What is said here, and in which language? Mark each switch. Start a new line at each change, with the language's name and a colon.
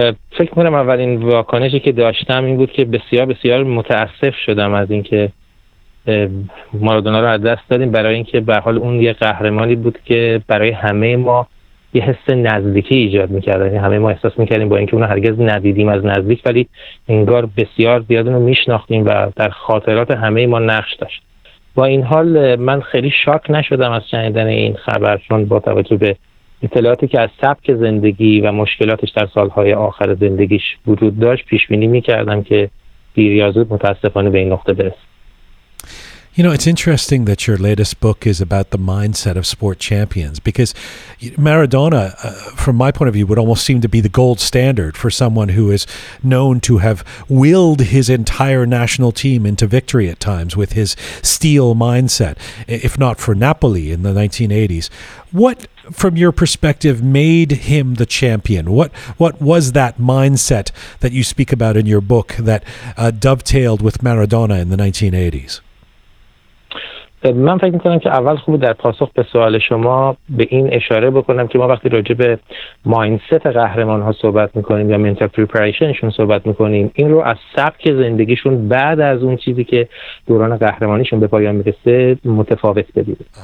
Persian: فکر می‌کنم اولین واکنشی که داشتم این بود که بسیار بسیار متاسف شدم از اینکه مارادونا رو از دست دادیم برای اینکه به هر حال اون یه قهرمانی بود که برای همه ما یه حس نزدیکی ایجاد می‌کرد یعنی همه ما احساس می‌کردیم با اینکه اون رو هرگز ندیدیم از نزدیک ولی انگار بسیار زیاد اون رو می‌شناختیم و در خاطرات همه ما نقش داشت با این حال من خیلی شاک نشدم از شنیدن این خبر چون با توجه به اطلاعاتی که از سبک زندگی و مشکلاتش در سالهای آخر زندگیش وجود داشت پیشبینی میکردم که دیر یا زود متاسفانه به این نقطه برسه
English: You know, it's interesting that your latest book is about the mindset of sport champions because Maradona, from my point of view, would almost seem to be the gold standard for someone who is known to have willed his entire national team into victory at times with his steel mindset, if not for Napoli in the 1980s. What, from your perspective, made him the champion? What was that mindset that you speak about in your book that dovetailed with Maradona in the 1980s?
Persian: من فکر میکنم که اول خوبه در پاسخ به سوال شما به این اشاره بکنم که ما وقتی راجع به مایندست قهرمان ها صحبت میکنیم یا منتال پریپریشنشون صحبت میکنیم این رو از سبک زندگیشون بعد از اون چیزی که دوران قهرمانیشون به پایان میرسه متفاوت بدیم